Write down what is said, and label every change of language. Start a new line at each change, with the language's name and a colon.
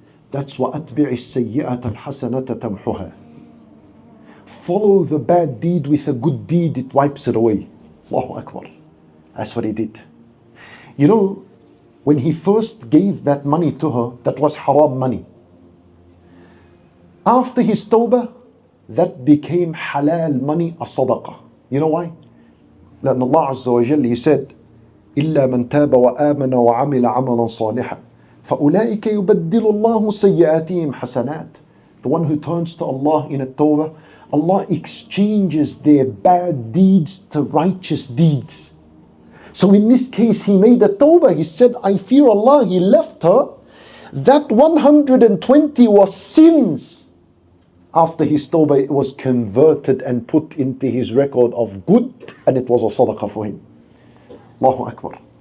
English: That's
Arabic: wa atbi'i sayyi'ata al-hasanata tamhuha.
English: Follow the bad deed with a good deed, it wipes it away. Allahu Akbar. That's what he did. You know, when he first gave that money to her, that was haram money. After his tawbah, that became halal money, a sadaqah. You know why?
Arabic: لأن الله عز وجل
English: he said
Arabic: إلا من تاب وآمن وعمل عملا صالحا فأولئك يبدل الله سيئاتهم حسنات.
English: The one who turns to Allah in a tawbah, Allah exchanges their bad deeds to righteous deeds. So in this case, he made a tawbah. He said, I fear Allah. He left her. That 120 was sins. After his tawbah, it was converted and put into his record of good, and it was a sadaqah for him. Allahu Akbar.